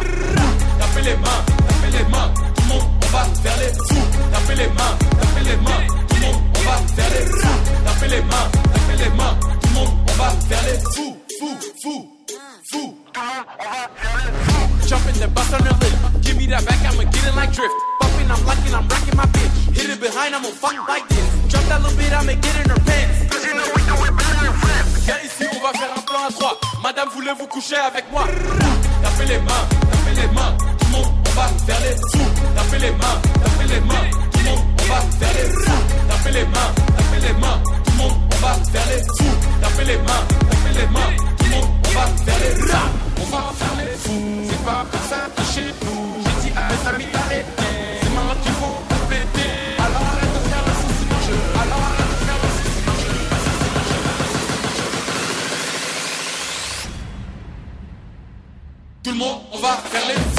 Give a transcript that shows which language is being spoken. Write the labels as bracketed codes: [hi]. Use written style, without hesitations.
[fr] Tape les mains, tape les mains. On va faire les fous, tapez les mains, tapez les mains, tout le monde, on va faire les fous, tapez les mains, tapez les mains, tout le monde, on va faire les fous, fous, fous, fous, tout le monde, on va faire les fous. [en] Jump in the bus on the lip, give me that back, I'ma get in like drift. Bumping, I'm liking, I'm racking my bitch. Hit it behind, I'ma fuck like this. Jump that little bit, I'ma get in her pants. Cause you know we do it better than friends. [fr] Viens ici, on va faire un plan à trois. Madame, voulez-vous coucher avec moi? Tapez les mains, tapez les mains. On va faire les fous, tapez les mains, tapez les mains, tout le monde, on va faire les fous, tapez les mains, tapez les mains, tout le monde, on va faire les fous, tapez les mains, tapez les mains, tout le monde, on va faire les fous, on va faire les fous, c'est pas pour ça que chez nous, j'ai dit à mes amis d'arrêter, c'est maintenant qu'il faut compléter, alors arrête de faire le fou, sinon je, alors arrête de faire le fou, sinon je, tout le monde, on va faire les fous.